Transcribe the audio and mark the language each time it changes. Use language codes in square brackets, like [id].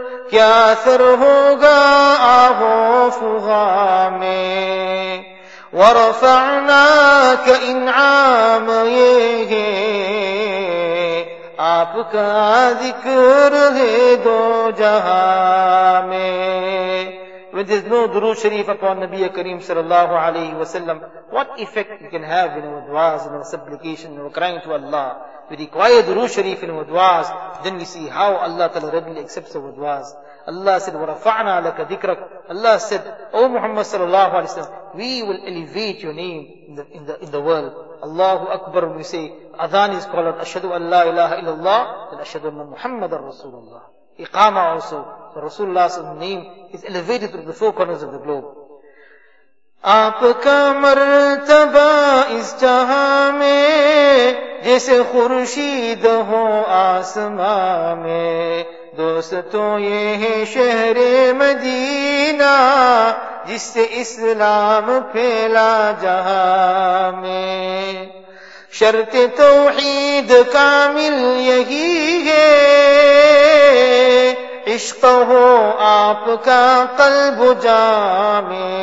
[ur] کیا اثر ہوگا آہو فغا میں ورفعناک انعام یہ ہے آپ کا ذکر ہے دو جہاں میں. [en] When there's no durood sharif upon Nabi Kareem sallallahu alayhi wa sallam, what effect we can have in our du'as and our supplication and our crying to Allah? We require durood sharif in our du'as, then we see how Allah ta'ala readily accepts our du'as. Allah said, [ar] وَرَفَعْنَا لَكَ ذِكْرَكَ. [en] Allah said, O Muhammad sallallahu alayhi wa sallam, we will elevate your name in the world. Allahu Akbar, when we say, Adhan is called, [ar] أَشْهَدُ أَنْ لَا إِلَهَ إِلَّا اللَّهِ وَأَشْهَدُ أَنَّ مُحَمَّدًا رَسُولُ اللَّهِ. [en] Iqama also, the Rasulullah's name is elevated through the four corners of the globe. [ur] آپکا مرتبہ اس جہاں میں جیسے خرشید ہو آسمان میں دوستو یہ ہے شہر مدینہ جس سے اسلام پھیلا جہاں میں شرط توحید کامل یہی ہے عشق ہو آپ کا قلب جامع